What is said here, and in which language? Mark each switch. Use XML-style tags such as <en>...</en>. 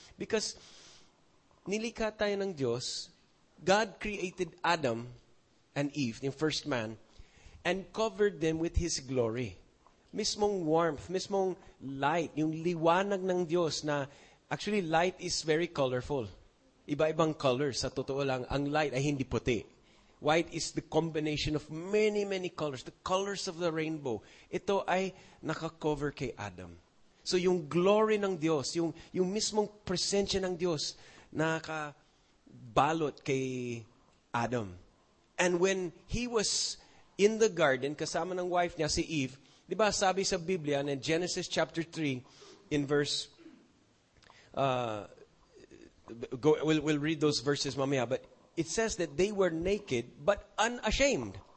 <en>Because</en> <tl>nilikha tayo ng Diyos,</tl> <en>God created Adam and Eve, the first man, and covered them with His glory.</en> <tl>Mismong warmth, mismong light, yung liwanag ng Diyos na, actually,</tl> <en>light is very colorful.</en> <tl>Iba-ibang colors, sa totoo lang, ang light ay hindi puti.</tl> <en>White is the combination of many, many colors, the colors of the rainbow.</en> <tl>Ito ay nakakover kay Adam. So yung glory ng Diyos, yung mismong presensya ng Diyos, nakabalot kay Adam.</tl> <en>And when he was in the garden, kasama ng wife niya, si Eve,</en> <tl>di ba sabi sa Biblia,</tl> <en>in Genesis chapter 3, in verse, we'll read those verses mamaya, but it says that they were naked, but unashamed.</en>